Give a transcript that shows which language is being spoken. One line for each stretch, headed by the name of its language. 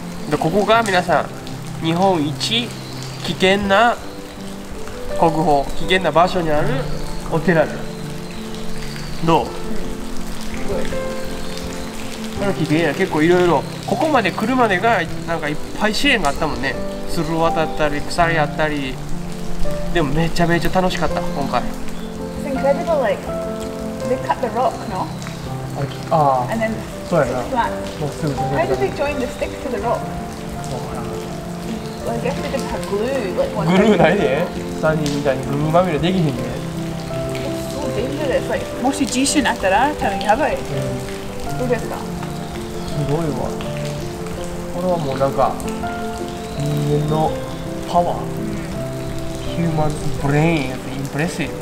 Japanese: で、ここが皆さん日本一危険な国宝、危険な場所にあるお寺です。どう？すごい。この木で結構いろいろ、ここまで来るまでがなんかいっぱい支援があったもんね。鶴渡ったり鎖やったり。でもめちゃめちゃ楽しかった今回。
English: It's incredible, like they cut the rock, no?
Japanese: ああ。
English: And then
Japanese: そうやな。
English: Flat.
Japanese: もうすぐ。
English: How did they join the stick to the rock? Well, I guess they just have glue, like one.
Japanese: Glue ないで、ね。サニーみたいにグルーまみれできへんね。
English: It's so dangerous. Like,
Japanese: もし地震あったら、たぶんやばい。どうですか。すごいわ。これはもうなんか人間のパワー、
English: human brain is impressive.